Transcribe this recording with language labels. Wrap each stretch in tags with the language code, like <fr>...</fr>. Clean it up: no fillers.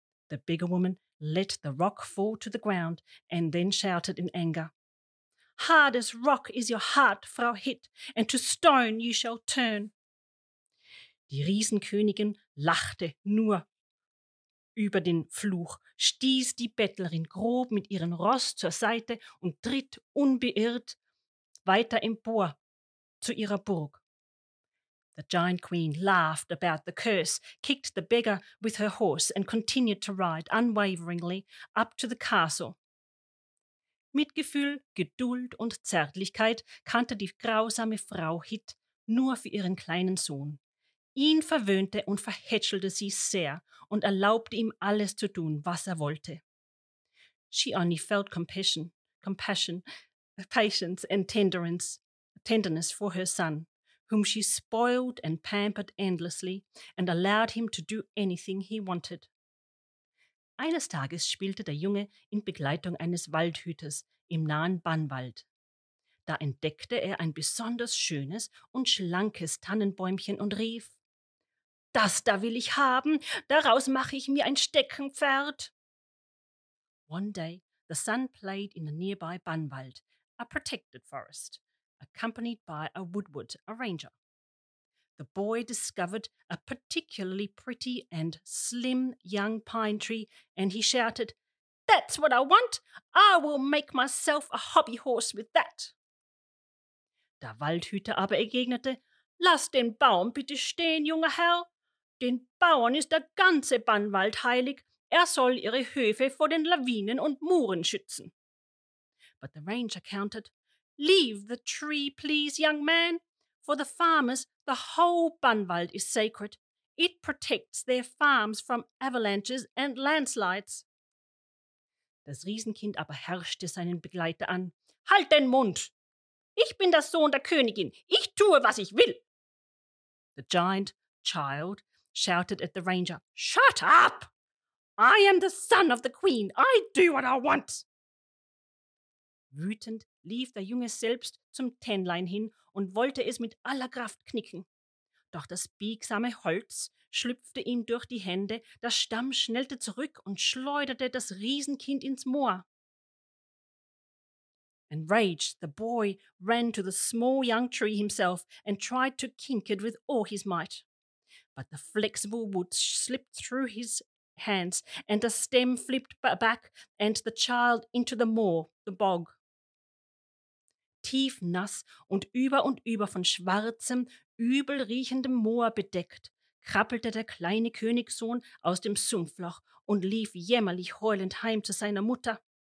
<en>The beggar woman let the rock fall to the ground and then shouted in anger, hard as rock is your heart, Frau Hitt, and to stone you shall turn.</en> <de>Die Riesenkönigin lachte nur über den Fluch, stieß die Bettlerin grob mit ihrem Ross zur Seite und tritt unbeirrt weiter empor zu ihrer Burg.</de> <en>The giant queen laughed about the curse, kicked the beggar with her horse and continued to ride unwaveringly up to the castle.</en> <de>Mitgefühl, Geduld und Zärtlichkeit kannte die grausame Frau Hitt nur für ihren kleinen Sohn. Ihn verwöhnte und verhätschelte sie sehr und erlaubte ihm alles zu tun, was er wollte.</de> <en>She only felt compassion, patience and tenderness for her son, whom she spoiled and pampered endlessly and allowed him to do anything he wanted.</en> <de>Eines Tages spielte der Junge in Begleitung eines Waldhüters im nahen Bannwald. Da entdeckte er ein besonders schönes und schlankes Tannenbäumchen und rief, das da will ich haben, daraus mache ich mir ein Steckenpferd.</de> <en>One day the son played in the nearby Bannwald, a protected forest, accompanied by a woodwood, a ranger. The boy discovered a particularly pretty and slim young pine tree and he shouted, that's what I want, I will make myself a hobby horse with that.</en> <de>Der Waldhüter aber entgegnete, lass den Baum bitte stehen, junger Herr. Den Bauern ist der ganze Bannwald heilig. Er soll ihre Höfe vor den Lawinen und Muren schützen.</de> <en>But the ranger countered, leave the tree, please, young man. For the farmers, the whole Bannwald is sacred. It protects their farms from avalanches and landslides.</en> <de>Das Riesenkind aber herrschte seinen Begleiter an. Halt den Mund! Ich bin der Sohn der Königin. Ich tue, was ich will.</de> <en>The giant child shouted at the ranger, shut up! I am the son of the queen. I do what I want.</en> <de>Wütend lief der Junge selbst zum Tännlein hin und wollte es mit aller Kraft knicken. Doch das biegsame Holz schlüpfte ihm durch die Hände, der Stamm schnellte zurück und schleuderte das Riesenkind ins Moor.</de> <en>Enraged, the boy ran to the small young tree himself and tried to kink it with all his might. But the flexible wood slipped through his hands and the stem flipped back and the child into the moor, the bog.</en> <de>Tief nass und über von schwarzem, übel riechendem Moor bedeckt, krabbelte der kleine Königssohn aus dem Sumpfloch und lief jämmerlich heulend heim zu seiner Mutter.</de>